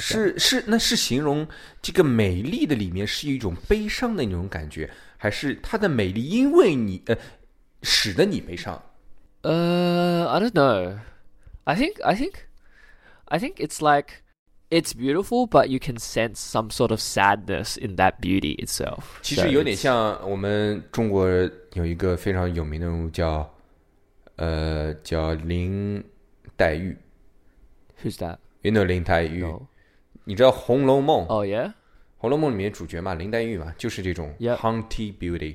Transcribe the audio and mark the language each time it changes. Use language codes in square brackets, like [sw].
[zh] 是那是形容这个美丽的里面是一种悲伤的那种感觉，还是她的美丽因为你使得你悲伤？ [en] I don't know. I think it's like, it's beautiful, but you can sense some sort of sadness in that beauty itself. [zh] 其实有点像我们中国有一个非常有名的人物叫林黛玉。 [en] Who's that? You know 林黛玉。 No. [zh] 你知道《红楼梦》？ [en] Oh, yeah? [zh] 红楼梦里面主角嘛，林黛玉嘛，就是这种 haunty beauty。